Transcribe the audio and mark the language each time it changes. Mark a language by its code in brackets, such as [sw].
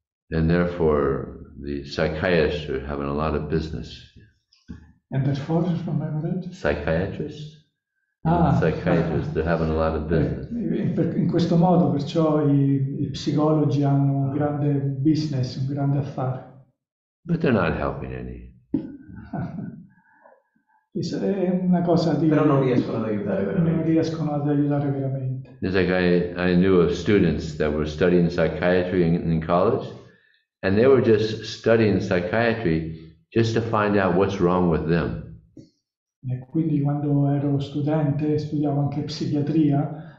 [en] And therefore the psychiatrists are having a lot of business. And therefore, remember that? Psychiatrists? Psychiatrists, they're having a lot of business. [it] In questo modo, perciò, i psicologi hanno un grande business, un grande affare. [en] But they're not helping any. [it] È una cosa di... Però non riescono ad aiutare veramente. Non riescono ad aiutare veramente. [en] It's like I knew of students that were studying psychiatry in college, and they were just studying psychiatry just to find out what's wrong with them. [it] E quindi quando ero studente studiavo anche psichiatria.